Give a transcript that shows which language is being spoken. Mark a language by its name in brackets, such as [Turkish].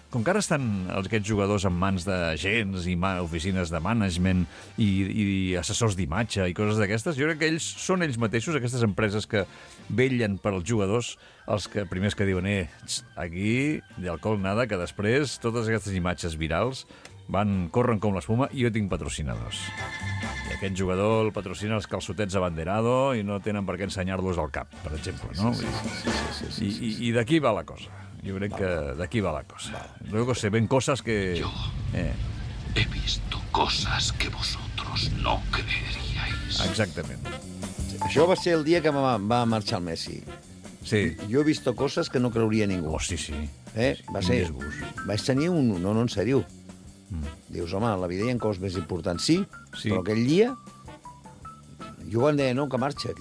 [Catalan] Com que ara estan aquests jugadors en mans d'agents i oficines de management i assessors d'imatge i coses d'aquestes, jo crec que ells són ells mateixos, aquestes empreses que vetllen pels jugadors, els que primers que diuen, aquí, d'alcohol nada, que després totes aquestes imatges virals corren com l'espuma i jo tinc patrocinadors. I aquest jugador el patrocina els calçotets abanderado i no tenen per què ensenyar-los al cap, per exemple, no? I d'aquí va la cosa. Jo crec que d'aquí va la cosa. [Spanish] Luego se ven cosas que... He visto cosas que vosotros no creeríais. [Catalan] Exactament. Això va ser el dia que va marxar el Messi. Sí. Jo [Spanish] he visto cosas [Catalan] que no creuria ningú. Oh, sí, sí. Va ser... Vaig tenir un... No, en sèrio. Dius, home, la vida hi ha coses més importants. Sí. Però aquell dia... Jo em deia, no, que marxa.